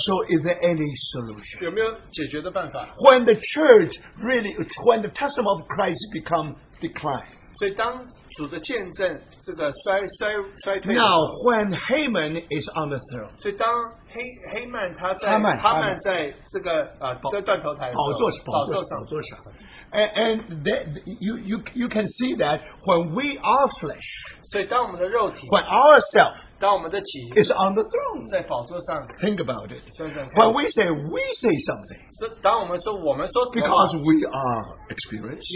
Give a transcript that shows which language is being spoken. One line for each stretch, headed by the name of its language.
English: So is there any solution?
Chinese: 有没有解决的办法？
English: When the church really, when the testimony of Christ become declined.
Chinese: 所以当主的见证这个衰退。
English: Now when Haman is on the throne.
Chinese: 所以当黑曼他在 他们在这个断头台宝座上宝座上。
English: And that, you can see that when we are flesh,
Chinese: 所以当我们的肉体
English: when ourself,
Chinese: 当我们的己
English: is on the throne,
Chinese: 在宝座上
English: think about it,
Chinese: 想想
English: when we say something,
Chinese: 当我们说什么
English: because we are experienced,